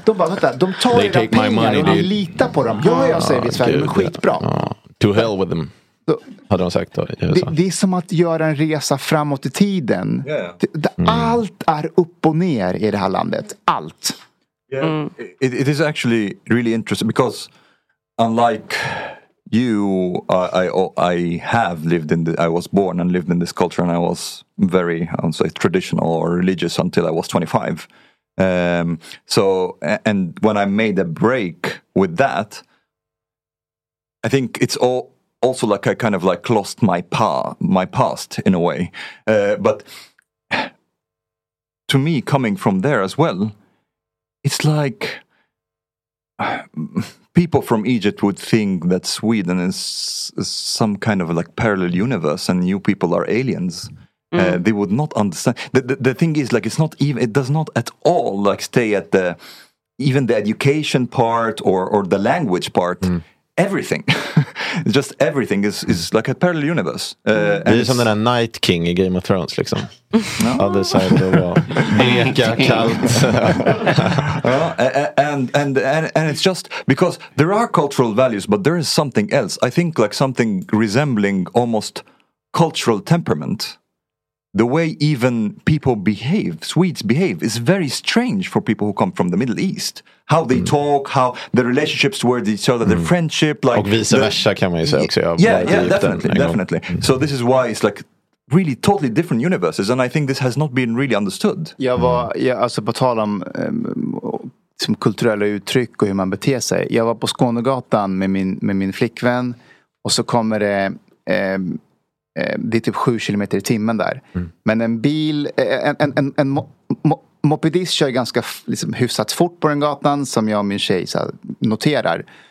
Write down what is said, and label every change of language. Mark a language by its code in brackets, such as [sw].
[sv] De bara, vänta, de tar era pengar money, och litar på dem. Jag säger det i Sverige, men skitbra. [en] To hell with them. [sv] Hade de sagt då, det är som att göra en resa framåt i tiden. [en] Yeah. [sv] Allt är upp och ner i det här landet. Allt. [en] Yeah. Mm. It is actually really interesting because, unlike you, I have lived in I was born and lived in this culture, and I was very, I would say, traditional or religious until I was 25. So, and when I made a break with that, I think it's also like I kind of like lost my past in a way. But to me, coming from there as well, it's like people from Egypt would think that Sweden is some kind of like parallel universe and you people are aliens. They would not understand. The thing is, like, it does not at all like stay at the even the education part or the language part. Everything. Just everything is like a parallel universe. [sv] Det är som den där Night King i Game of Thrones liksom. [en] Other side of the wall. [sv] Eka, kallt. [en] And it's just because there are cultural values, but there is something else. I think like something resembling almost cultural temperament. The way even people behave, Swedes behave, is very strange for people who come from the Middle East. How they talk, how the relationships towards each other, their friendship, like, [sv] och vice versa kan man ju säga också. [en] Yeah, definitely. So this is why it's like really totally different universes, and I think this has not been really understood. [sv] Alltså på tal om som kulturella uttryck och hur man beter sig. Jag var på Skånegatan med min flickvän, och så kommer det. Det är typ 7 kilometer i timmen där. Men en bil, en mopedist kör ganska liksom hyfsat fort på den gatan, som jag och min tjej så noterar.